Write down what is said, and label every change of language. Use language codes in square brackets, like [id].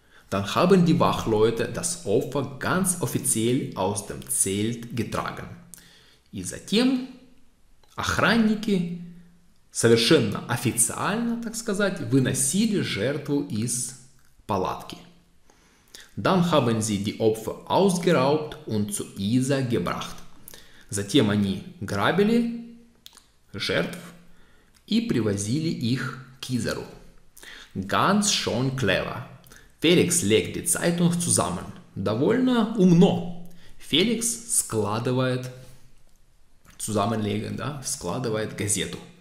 [de] Dann haben die Wachleute das Opfer ganz offiziell aus dem Zelt getragen. [ru] И затем охранники совершенно официально, так сказать, выносили жертву из палатки. [de] Dann haben sie die Opfer ausgeraubt und zu Isa gebracht. [ru] Затем они грабили жертв и привозили их к Изару. [de] Ganz schön clever. Felix legt die Zeitung zusammen. [ru] Довольно умно. Felix складывает, zusammenlegen, да, складывает газету.